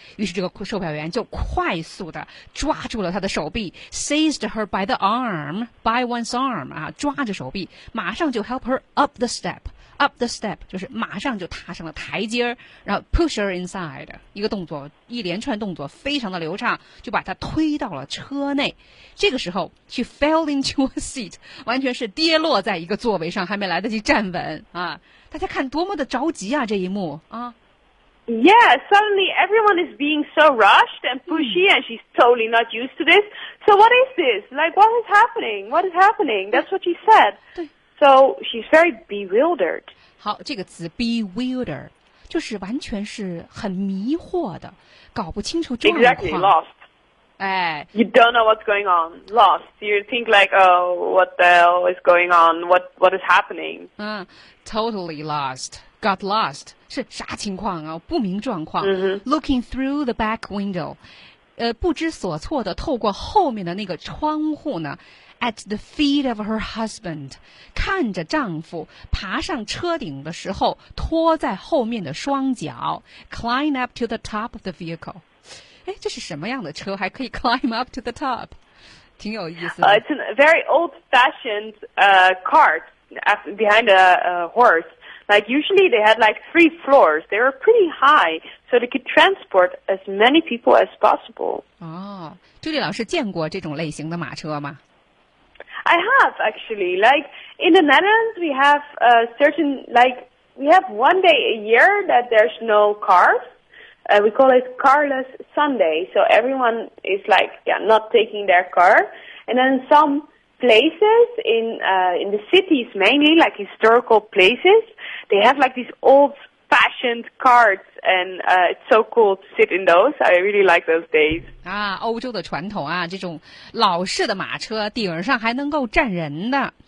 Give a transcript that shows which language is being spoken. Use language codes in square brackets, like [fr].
[zh] 于是这个售票员就快速的抓住了他的手臂 ， [en] seized her by the arm， by one's arm [zh] 啊，抓着手臂，马上就 [en] help her up the step， up the step [zh] 就是马上就踏上了台阶，然后 [en] push her inside， [zh] 一个动作，一连串动作非常的流畅，就把她推到了车内。这个时候 ， [en] she fell into a seat。 [zh] 完全是跌落在一个座位上，还没来得及站稳啊！大家看多么的着急啊！这一幕啊 [en] ，Yeah, suddenly everyone is being so rushed and pushy, and she's totally not used to this. So what is this? Like, what is happening? What is happening? That's what she said. So she's very bewildered. [zh] 好，这个词 bewildered 就是完全是很迷惑的，搞不清楚状况。 [en] Exactly, lost. 哎、 you don't know what's going on. Lost. You think like, oh, what the hell is going on? What is happening? Totally lost. Got lost. [zh] 是啥情况啊？不明状况。 [en] Looking through the back window. [zh] 不知所措的透过后面的那个窗户呢 [en] at the feet of her husband. [zh] 看着丈夫爬上车顶的时候拖在后面的双脚 [en] climb up to the top of the vehicle. [zh] 哎，这是什么样的车还可以 [en] climb up to the top? [zh] 挺有意思的。 [en] It's a very old-fashioned cart behind a horse. Like, usually they had like three floors. They were pretty high, so they could transport as many people as possible. [zh] 哦，朱莉老师见过这种类型的马车吗？ [en] I have, actually. Like, in the Netherlands, we have a certain, like, we have one day a year that there's no cars. We call it Carless Sunday. So everyone is like, yeah, not taking their car. And then some places in the cities mainly, like historical places, they have like these old-fashioned carts. And it's so cool to sit in those. I really like those days. [zh] 啊，欧洲的传统啊，这种老式的马车顶上还能够站人的。